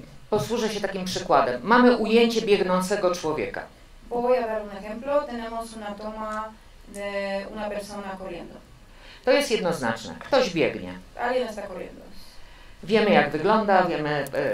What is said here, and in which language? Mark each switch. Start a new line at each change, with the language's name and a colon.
Polish: Posłużę się takim przykładem. Mamy ujęcie biegnącego człowieka.
Spanish: Voy a dar un ejemplo. Tenemos una toma de una persona corriendo.
Polish: To jest jednoznaczne. Ktoś biegnie.
Spanish: Alguien está corriendo.
Polish: Wiemy, jak wygląda, wiemy.